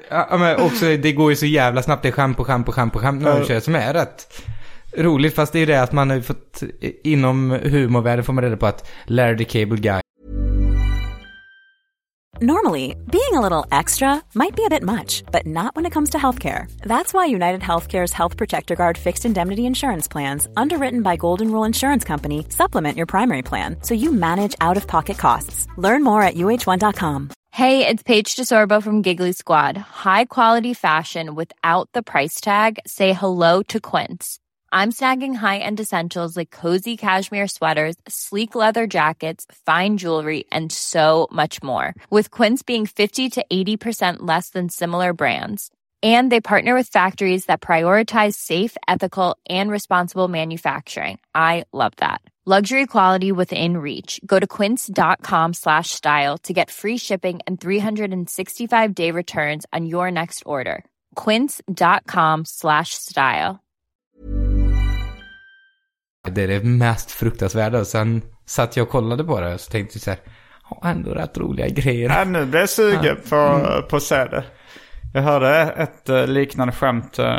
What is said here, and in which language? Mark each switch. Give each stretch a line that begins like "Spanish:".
Swedish: Men det går ju så jävla snabbt. Det är skämt på när man kör, som är rätt roligt. Fast det är ju det att man har fått inom humorvärlden, får man reda på att Larry the Cable Guy.
English: Normally, being a little extra might be a bit much, but not when it comes to healthcare. That's why United Healthcare's Health Protector Guard fixed indemnity insurance plans, underwritten by Golden Rule Insurance Company, supplement your primary plan so you manage out-of-pocket costs. Learn more at uh1.com. Hey, it's Paige DeSorbo from Giggly Squad. High quality fashion without the price tag. Say hello to Quince. I'm snagging high-end essentials like cozy cashmere sweaters, sleek leather jackets, fine jewelry, and so much more, with Quince being 50 to 80% less than similar brands. And they partner with factories that prioritize safe, ethical, and responsible manufacturing. I love that. Luxury quality within reach. Go to Quince.com/style to get free shipping and 365-day returns on your next order. Quince.com/style.
Swedish: Det är det mest fruktansvärda. Sen satt jag och kollade på det och så tänkte jag så här, ändå rätt roliga grejer. Ja, nu blev jag sugen på att se det. Jag hörde ett liknande skämt.